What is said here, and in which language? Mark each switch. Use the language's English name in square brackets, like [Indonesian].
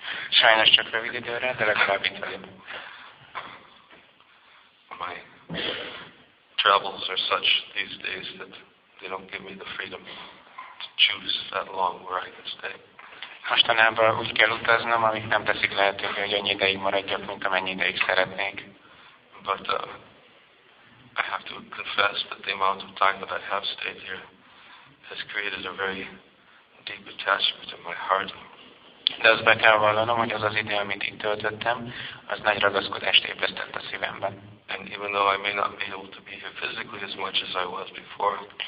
[Hungarian] Sajnos csak rövid időre, de legalább itt vagyok. [English] My travels are such these days that they don't give me the freedom to choose that long where I can stay. [Hungarian] Mostanában úgy kell utaznom, amik nem teszik lehetővé, hogy annyi ideig maradjak, mint amennyi ideig szeretnék. [English] But I have to confess that the amount of time that I have stayed here has created a very deep attachment in my heart. [Hungarian] De azt be kell vallanom, hogy az az idő, amit itt töltöttem, az nagy ragaszkodást ébresztett a szívemben. [English] And even though I may not be able to be here physically as much as I was before,